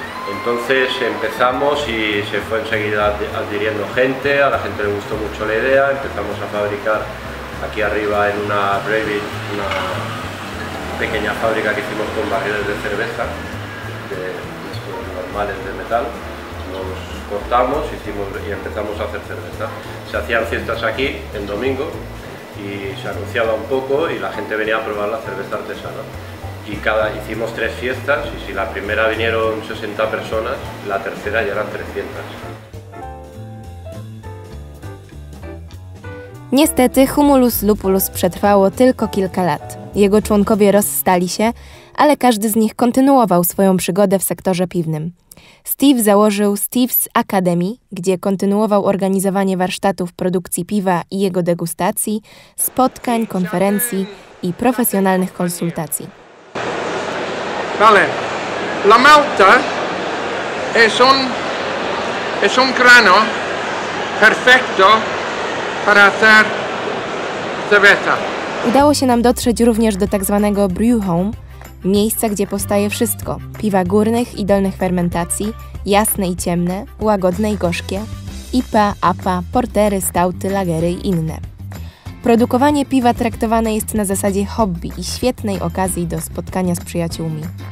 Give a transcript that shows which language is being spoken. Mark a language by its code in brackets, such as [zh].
[es] Entonces empezamos y se fue enseguida adhiriendo gente, a la gente le gustó mucho la idea, empezamos a fabricar aquí arriba en una Revit, una pequeña fábrica que hicimos con barriles de cerveza, de estos normales de metal, los cortamos, hicimos y empezamos a hacer cerveza. Se hacían fiestas aquí en domingo y se anunciaba un poco y la gente venía a probar la cerveza artesana. Y hicimos tres fiestas, y si la primera vinieron 60 personas, la tercera ya eran 300. [pl] Niestety Humulus Lupulus przetrwało tylko kilka lat. Jego członkowie rozstali się, ale każdy z nich kontynuował swoją przygodę w sektorze piwnym. Steve założył Steve's Academy, gdzie kontynuował organizowanie warsztatów produkcji piwa i jego degustacji, spotkań, konferencji i profesjonalnych konsultacji. [es] Vale, la malta es un grano perfecto para hacer cerveza. [pl] Udało się nam dotrzeć również do tak zwanego brew home, miejsca, gdzie powstaje wszystko. Piwa górnych i dolnych fermentacji, jasne i ciemne, łagodne i gorzkie, IPA, APA, portery, stauty, lagery i inne. Produkowanie piwa traktowane jest na zasadzie hobby i świetnej okazji do spotkania z przyjaciółmi.